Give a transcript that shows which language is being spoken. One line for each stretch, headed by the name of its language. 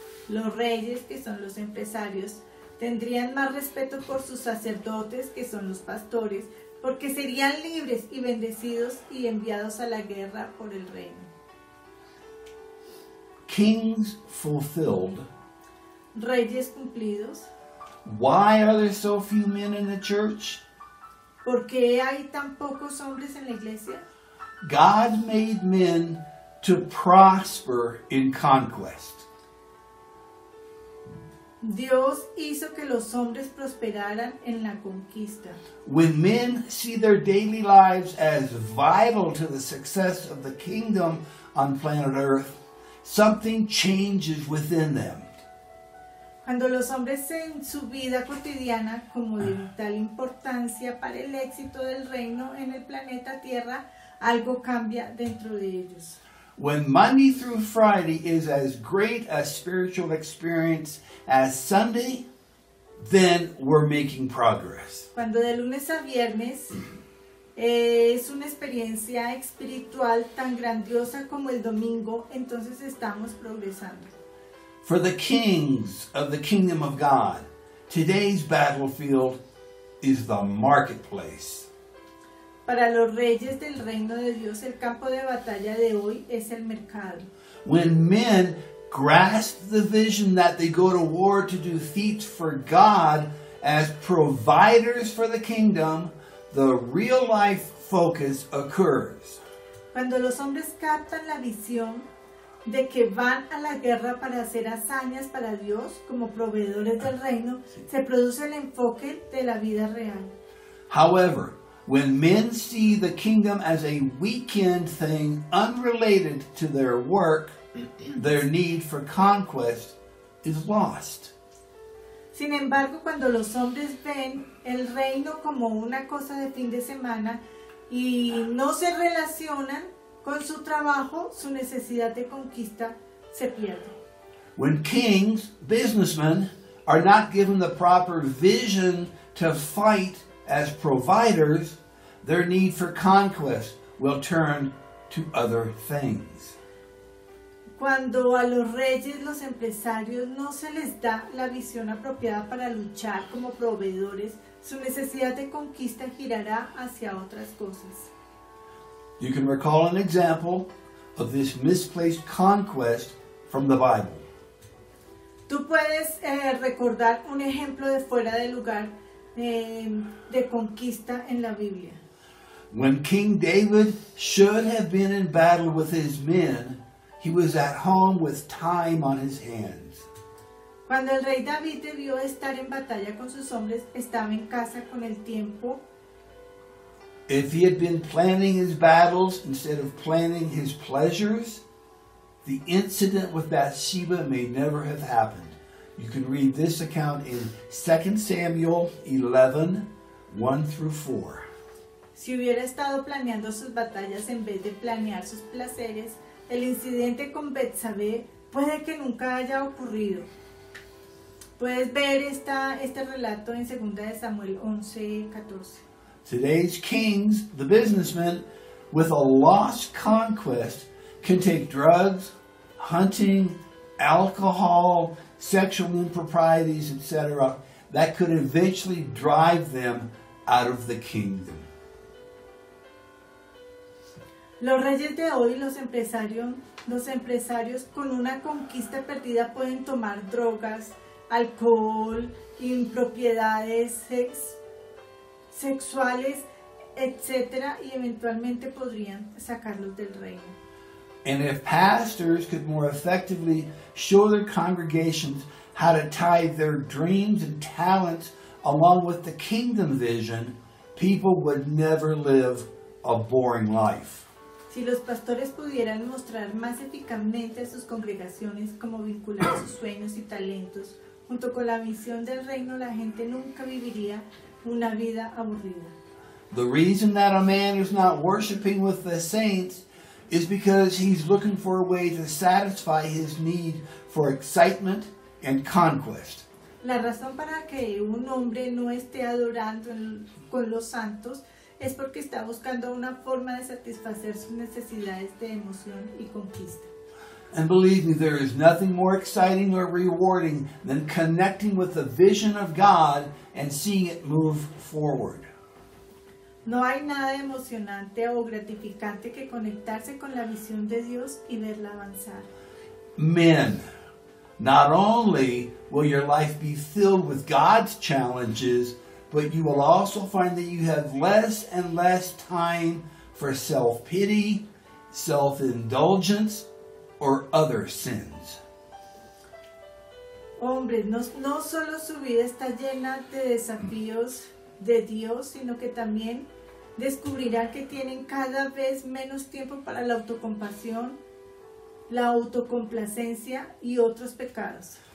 Spanish: Los reyes, que son los empresarios, tendrían más respeto por sus sacerdotes, que son los pastores, porque serían libres y bendecidos y enviados a la guerra por el reino.
English: Kings fulfilled.
Spanish: Reyes cumplidos.
English: Why are there so few men in the church?
Spanish: ¿Por qué hay tan pocos hombres en la iglesia?
English: God made men to prosper in conquest.
Spanish: Dios hizo que los hombres prosperaran en la conquista.
English: When men see their daily lives as vital to the success of the kingdom on planet Earth, something changes within them.
Spanish: Cuando los hombres en su vida cotidiana como de vital importancia para el éxito del reino en el planeta Tierra, algo cambia dentro de ellos.
English: when Monday through Friday is as great a spiritual experience as Sunday, then we're making progress.
Spanish: Cuando de lunes a viernes es una experiencia espiritual tan grandiosa como el domingo, entonces estamos progresando.
English: For the kings of the kingdom of God, today's battlefield is the marketplace.
Spanish: Para los reyes del reino de Dios, el campo de batalla de hoy es el mercado.
English: When men grasp the vision that they go to war to do feats for God as providers for the kingdom, the real life focus occurs.
Spanish: Cuando los hombres captan la visión de que van a la guerra para hacer hazañas para Dios como proveedores del reino, se produce el enfoque de la vida real.
English: However, when men see the kingdom as a weekend thing unrelated to their work, their need for conquest is lost.
Spanish: Sin embargo, cuando los hombres ven el reino como una cosa de fin de semana y no se relacionan con su trabajo, su necesidad de conquista se pierde.
English: When kings, businessmen, are not given the proper vision to fight as providers, their need for conquest will turn to other things.
Spanish: Cuando a los reyes, los empresarios, no se les da la visión apropiada para luchar como proveedores, su necesidad de conquista girará hacia otras cosas.
English: You can recall an example of this misplaced conquest from the Bible.
Spanish: Tú puedes recordar un ejemplo de fuera de lugar de conquista en la Biblia.
English: When King David should have been in battle with his men, he was at home with time on his hands.
Spanish: Cuando el rey David debió estar en batalla con sus hombres, estaba en casa con el tiempo.
English: If he had been planning his battles instead of planning his pleasures, the incident with Bathsheba may never have happened. You can read this account in 2 Samuel 11, 1 through 4.
Spanish: Si hubiera estado planeando sus batallas en vez de planear sus placeres, el incidente con Betsabé puede que nunca haya ocurrido. Puedes ver este relato en 2 Samuel 11, 14.
English: Today's kings, the businessmen, with a lost conquest, can take drugs, hunting, alcohol, sexual improprieties, etc., that could eventually drive them out of the kingdom.
Spanish: Los reyes de hoy, los empresarios con una conquista perdida pueden tomar drogas, alcohol, impropiedades sexuales, etcétera, y eventualmente podrían sacarlos del reino.
English: And if pastors could more effectively show their congregations how to tie their dreams and talents along with the kingdom vision, people would never live a boring life.
Spanish: Si los pastores pudieran mostrar más eficazmente a sus congregaciones cómo vincular sus sueños y talentos junto con la misión del reino, la gente nunca viviría una vida aburrida.
English: The reason that a man is not worshiping with the saints is because he's looking for a way to satisfy his need for excitement and conquest.
Spanish: La razón para que un hombre no esté adorando con los santos es porque está buscando una forma de satisfacer sus necesidades de emoción y conquista.
English: And believe me, there is nothing more exciting or rewarding than connecting with the vision of God and seeing it move forward.
Spanish: No hay nada emocionante o gratificante que conectarse con la visión de Dios y verla avanzar.
English: Men, not only will your life be filled with God's challenges, but you will also find that you have less and less time for self-pity, self-indulgence, or other sins.
Spanish: Hombres, no solo su vida está llena de desafíos de Dios, sino que también descubrirá que tienen cada vez menos tiempo para la autocompasión, la autocomplacencia y otros pecados.